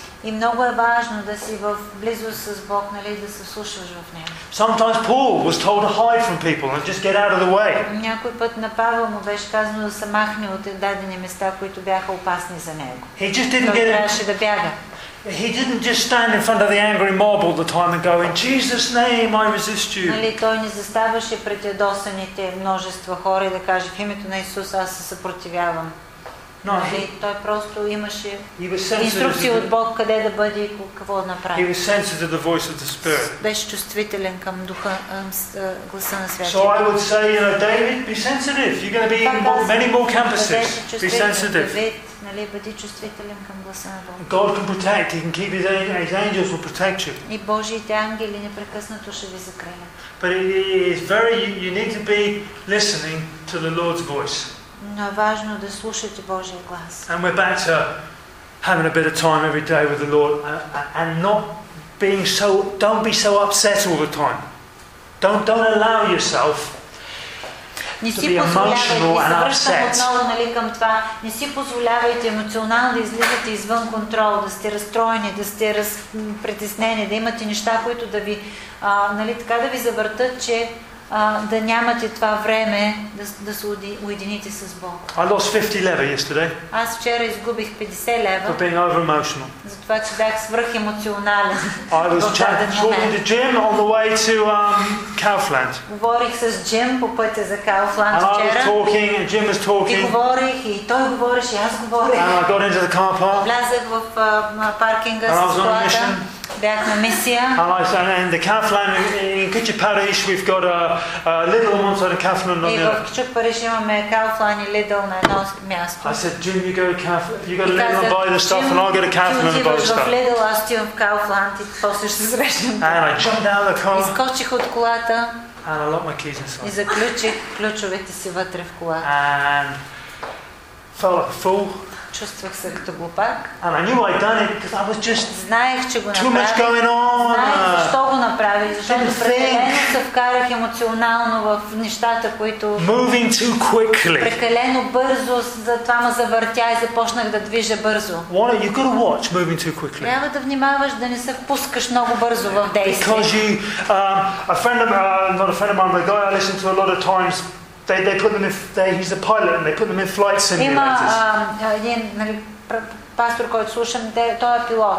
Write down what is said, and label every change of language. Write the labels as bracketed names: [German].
[Bulgarian] И много е важно да си в близост с Бог, нали, да се слушаш в Него. [English] Sometimes Paul was told to hide from people and just get out of the way. [Bulgarian] Някой път на Павел му беше казано да се махне от дадени места, които бяха опасни за него. [English] He just didn't get [Bulgarian] трябваше да бяга. [English] He didn't just stand in front of the angry mob all the time and go, in Jesus' name, I resist you. [Bulgarian] Нали, той не заставаше пред ядосаните множество хора и да каже, в името на Исус аз се съпротивявам. [English] No, [Bulgarian] той просто имаше инструкции от Бог къде да бъде и какво да направи. [English] He was sensitive to the voice of the Spirit. [Bulgarian] Беше чувствителен към духа, гласа на Святия. [English] So I would say, you know, David, be sensitive. You're going to be in many more campuses. Be sensitive. [Bulgarian] Нали, бъди чувствителен към гласа на Бог. [English] God can protect. He can keep his angels will protect you. [Bulgarian] И Божиите ангели непрекъснато ще ви закрилят. [English] But it's very you need to be listening to the Lord's voice. [Bulgarian] Но е важно да слушате Божия глас. [English] And we're back to having a bit of time every day with the Lord and not being so, don't be so upset all the time. Don't allow yourself [Bulgarian] не си позволявайте, отново, нали, към това. Не си позволявайте емоционално да излизате извън контрол, да сте разстроени, да сте притеснени, да имате неща, които да ви, нали, така да ви завъртат, че да нямате това време да, да се уедините с Бог. [English] I lost 50 lira yesterday. [Bulgarian] Аз вчера изгубих 50 лева. [English] For being over emotional. [Bulgarian] Затова че бях свръх емоционален. [English] I was talking to Jim on the way to Kaufland. [Bulgarian] Говорих с Джим по пътя за Kaufland вчера. [English] And I was talking and Jim was talking. [Bulgarian] И говорих и той говореше, аз говорих. [English] And I got into the car park. [Bulgarian] Влязах в паркинга с колата. Бях на мисия. [English] And I said, and the Kaufland in Kitchener Parish we've got a little on one side of Kaufland on the other. [Bulgarian] И в Kitchener Parish имаме Kaufland и Lidl на едно място. [English] I said, Jim, you go to Kaufland, you got a Lidl and buy the stuff, and I'll go to Kaufland and buy the stuff. [Bulgarian] В Lidl, аз ти имам Kaufland и после ще срещам. [English] And I jumped out of the car. [Bulgarian] Изкочих от колата. [English] And I locked my keys inside. [Bulgarian] И заключих ключовете си вътре в колата. [English] And felt like a fool. [Bulgarian] Чувствах се като глупак. [English] And I knew I'd done it because I was just [Bulgarian] знаех, че го [English] too much going on. [Bulgarian] Защо го направих? Защото прекалено се вкарах емоционално в нещата, които [English] moving too quickly. [Bulgarian] Прекалено бързо, затова ме завъртя и започнах да движа бързо. [English] Why you got to watch moving too quickly. [Bulgarian] Трябва да внимаваш да не се впускаш много бързо в действие. [English] Because you, a friend of mine, not a friend of mine, but a guy I listen to a lot of times. They put them in. He's a pilot, and they put them in flight simulators.